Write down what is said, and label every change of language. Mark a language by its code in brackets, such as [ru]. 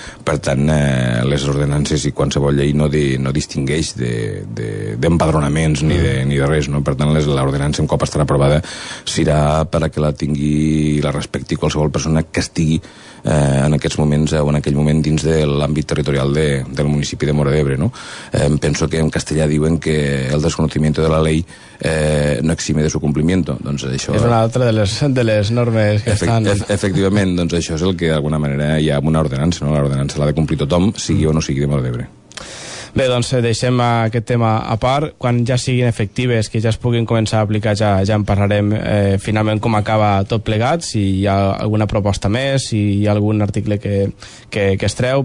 [ca] Per tant, les ordenances i qualsevol llei no distingueix d'empadronaments ni de res, no? Per tant, l'ordenança, un cop estarà aprovada, serà per a que la tingui i la respecti qualsevol persona que estigui en aquests moments o en aquell moment dins de l'àmbit territorial del municipi de Móra d'Ebre, no? Penso que en castellà diuen que [es] el desconocimiento de la ley no exime de su cumplimiento. [ca] Doncs això és una altra de les normes que estan... Efectivament, doncs això és el que d'alguna manera hi ha una ordenança, no? L'ordenança l'ha de complir tothom, sigui o no sigui de Móra d'Ebre. Bé, doncs deixem aquest tema a part. Quan ja siguin efectives, que ja es puguin començar a aplicar, ja en parlarem finalment com acaba tot plegat, si hi ha alguna proposta més, si hi ha algun article que es treu.